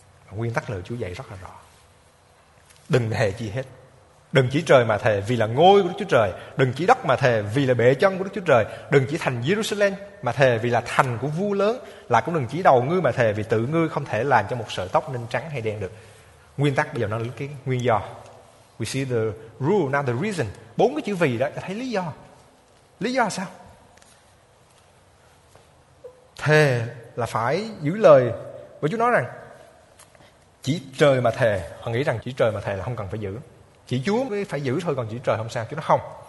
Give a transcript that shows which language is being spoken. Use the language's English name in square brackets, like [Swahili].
[Vietnamese] Nguyên tắc lời Chúa dạy rất là rõ. Đừng thề chi hết. Đừng chỉ trời mà thề vì là ngôi của Đức Chúa Trời. Đừng chỉ đất mà thề vì là bệ chân của Đức Chúa Trời. Đừng chỉ thành Jerusalem mà thề vì là thành của vua lớn. Là cũng đừng chỉ đầu ngươi mà thề vì tự ngươi không thể làm cho một sợi tóc nên trắng hay đen được. Nguyên tắc bây giờ nó là cái nguyên do. [English] We see the rule, now the reason. [Vietnamese] Bốn cái chữ vì đó, ta thấy lý do. Lý do là sao? Thề là phải giữ lời. Và Chúa nói rằng chỉ trời mà thề. Họ nghĩ rằng chỉ trời mà thề là không cần phải giữ. Chỉ Chúa mới phải giữ thôi, còn chỉ trời không sao. Chúa nói không.